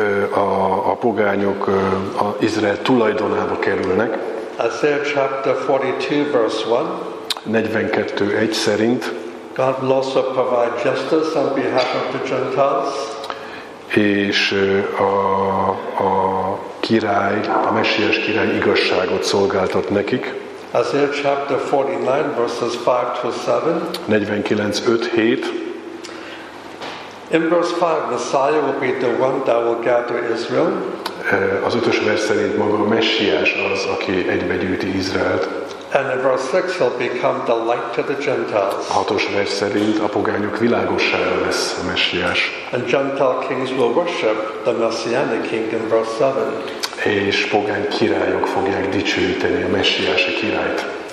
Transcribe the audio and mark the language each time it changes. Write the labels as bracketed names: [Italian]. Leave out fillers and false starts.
[Hungarian] A pogányok a Izrael tulajdonába kerülnek. [English] Isaiah chapter 42 verse 1. [Hungarian] 42:1 szerint. [English] God will also provide justice on behalf of the Gentiles. [Hungarian] És a király, a messiás király igazságot szolgáltat nekik. [English] Isaiah chapter 49 verses 5 to 7. [Hungarian] 49:5-7. [English] In verse 5, Messiah will be the one that will gather Israel. [Hungarian] Az ötös vers szerint maga a Messiás az, aki egybegyűjti Izraelt. [English] And in verse 6, he'll become the light to the Gentiles. [Hungarian] Hatos vers szerint a pogányok világossága lesz a Messiás. [English] And Gentile kings will worship the Messianic king in verse 7. [Hungarian] És pogány királyok fogják dicsőíteni a messiási királyt.